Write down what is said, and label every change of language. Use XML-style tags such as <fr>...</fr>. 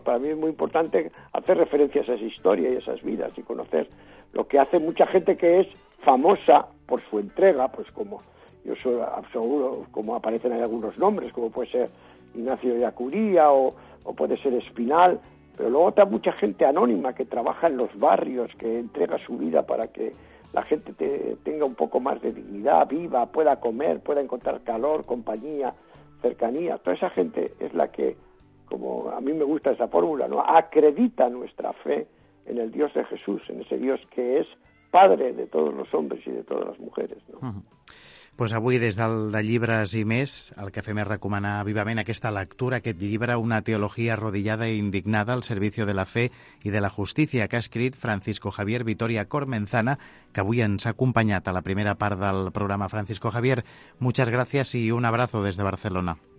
<es>Para mí es muy importante hacer referencia a esas historias y a esas vidas y conocer lo que hace mucha gente que es famosa por su entrega, pues como yo soy absoluto, como aparecen ahí algunos nombres, como puede ser Ignacio de Acuría o puede ser Espinal, pero luego está mucha gente anónima que trabaja en los barrios, que entrega su vida para que la gente tenga un poco más de dignidad, viva, pueda comer, pueda encontrar calor, compañía, cercanía. Toda esa gente es la que, como a mí me gusta esa fórmula, ¿no?, acredita nuestra fe en el Dios de Jesús, en ese Dios que es padre de todos los hombres y de todas las mujeres, ¿no?</es> <ca>Pues avui, des del de Llibres i Més, el que fem és recomanar vivament aquesta lectura, aquest llibre, Una teologia arrodillada e indignada al servicio de la fe i de la justícia, que ha escrit Francisco Javier Vitoria Cormenzana, que avui ens ha acompanyat a la primera part del programa.</ca> <es>Francisco Javier, muchas gracias y un abrazo desde Barcelona.</es>